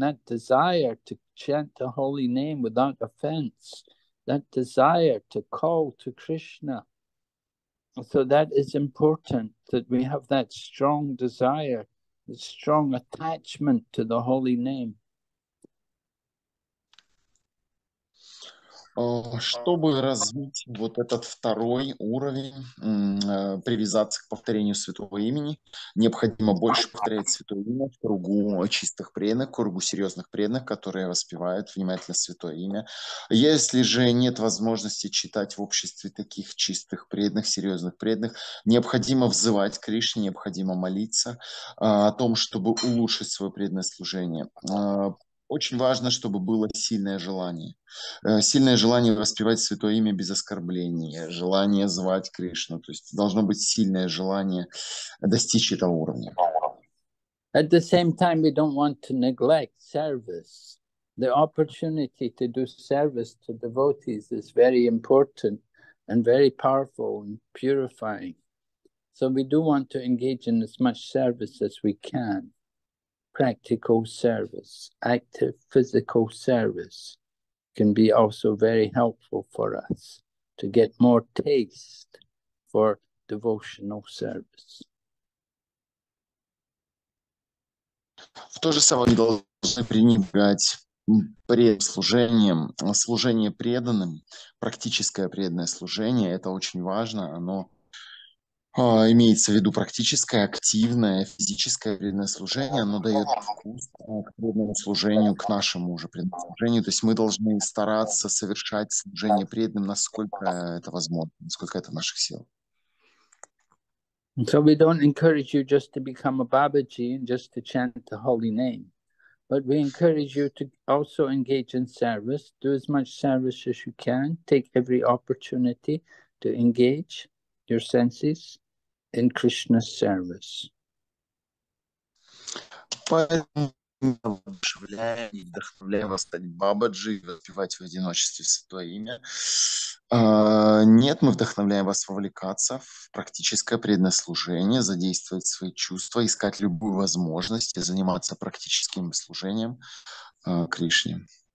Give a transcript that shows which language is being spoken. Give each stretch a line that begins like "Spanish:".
English: That desire to chant the holy name without offense. That desire to call to Krishna. So that is important, that we have that strong desire, the strong attachment to the holy name.
Russian: Чтобы развить вот этот второй уровень, привязаться к повторению святого имени, необходимо больше повторять святое имя в кругу чистых преданных, в кругу серьезных преданных, которые воспевают внимательно святое имя. Если же нет возможности читать в обществе таких чистых преданных, серьезных преданных, необходимо взывать к Кришне, необходимо молиться о том, чтобы улучшить свое преданное служение. Очень важно, чтобы было сильное желание. Сильное желание воспевать святое имя без оскорбления, желание звать Кришну. То есть должно быть сильное желание достичь этого уровня.
English: At the same time, we don't want to neglect service. The opportunity to do service to devotees is very important and very powerful and purifying. So we do want to engage in as much service as we can. Practical service, active physical service can be also very helpful for us to get more taste for devotional service.
Russian: В то же самое мы должны пренебрегать предслужением, служение преданным, практическое преданное служение, это очень важно, оно имеется в виду практическое, активное, физическое преданное служение, оно дает вкус к преданному служению, к нашему уже преданному служению. То есть мы должны стараться совершать служение преданным, насколько это возможно, насколько это в наших силах.
English: So we don't encourage you just to become a Babaji and just to chant the holy name. But we encourage you to also engage in service, do as much service as you can, take every opportunity to engage your senses in Krishna's service.
Russian: Поэтому вдохновляем, вдохновляем вас стать Бабаджи и воспевать в одиночестве святое имя. Нет, мы вдохновляем вас вовлекаться в практическое преданное служение, задействовать свои чувства, искать любую возможность и заниматься практическим служением Кришне.